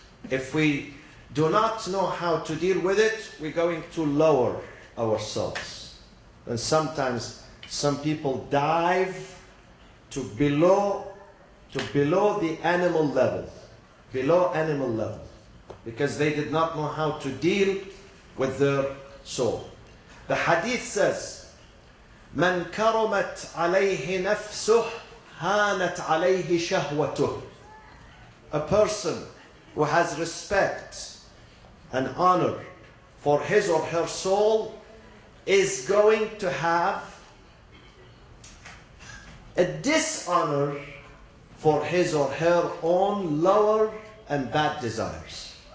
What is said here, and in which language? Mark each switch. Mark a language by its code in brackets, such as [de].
[en] If we do not know how to deal with it, we're going to lower ourselves. And sometimes some people dive to below the animal level, below animal level, because they did not know how to deal with their soul. The hadith says, [ar] "من كرمت عليه نفسه هانت عليه شهوته." [en] A person who has respect and honor for his or her soul is going to have a dishonor for his or her own lower and bad desires.